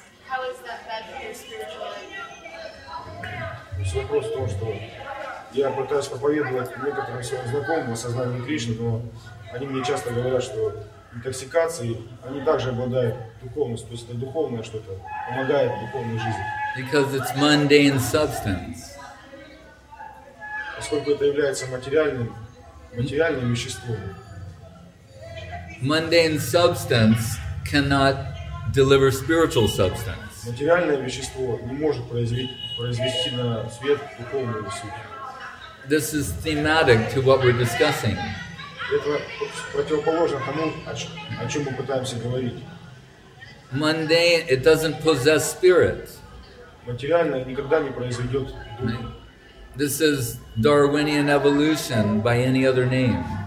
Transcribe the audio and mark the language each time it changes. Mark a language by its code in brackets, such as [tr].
[en] How is that bad for your spirituality? [ru] Вопрос в том, что я пытаюсь проповедовать некоторым своим знакомым о сознании Кришны, но они мне часто говорят, что интоксикации, они также обладают духовностью, то есть это духовное что-то, помогает духовной жизни. [en] Because it's mundane substance. [ru] Поскольку это является материальным веществом. [en] Mundane substance cannot deliver spiritual substance. [ru] Материальное вещество не может произвести на свет духовную суть. [en] This is thematic to what we're discussing. [ru] Это противоположно тому, о чем мы пытаемся говорить. [en] Mundane, it doesn't possess spirit. [ru] Материально никогда не произойдет дух. [en] This is Darwinian evolution by any other name.